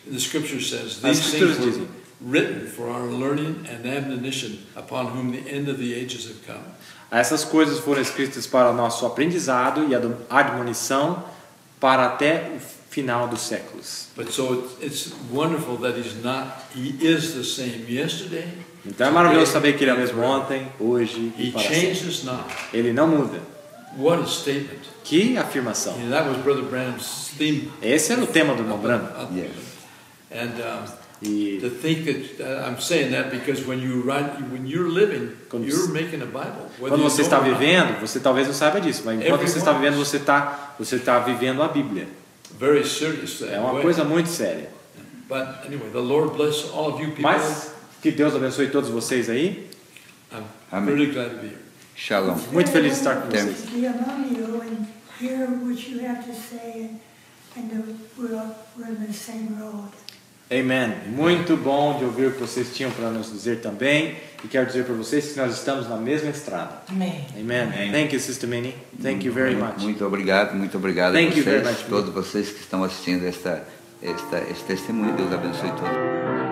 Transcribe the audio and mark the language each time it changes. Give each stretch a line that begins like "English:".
English: The scripture says these things were written for our learning and admonition upon whom the end of the ages have come.
Portuguese: Essas coisas foram escritas para nosso aprendizado e admonição para até o final dos séculos.
English: But so it's wonderful that he is the same yesterday.
Portuguese: Então é maravilhoso saber que ele é o mesmo ontem, hoje e para sempre. Ele não muda.
English: What a statement.
Portuguese: Que afirmação.
English: And that was Brother Branham's theme.
Portuguese: Esse era o tema do irmão Branham.
English: Yes. And to think that I'm saying that because when you're living, you're making a Bible.
Portuguese: Quando você está vivendo, você talvez não saiba disso, mas enquanto você está vivendo, você está vivendo a Bíblia.
English: Very serious.
Portuguese: É uma coisa muito séria.
English: But anyway, the Lord bless all of you people.
Portuguese: Mas que Deus abençoe todos vocês aí.
English: I'm really glad to be here.
Hebrew: Shalom.
Portuguese: Muito feliz de estar com vocês.
English: Be among you and hear what you have to say. And we're on the same road. Amen.
Portuguese: Muito bom de ouvir o que vocês tinham para nos dizer também. E quero dizer para vocês que nós estamos na mesma estrada. Amen.
English: Amen. Amen. Thank you, Sister Minnie. Thank you very much.
Portuguese: Muito obrigado a vocês, todos vocês que estão assistindo esta, esta, este testemunho. Deus abençoe todos.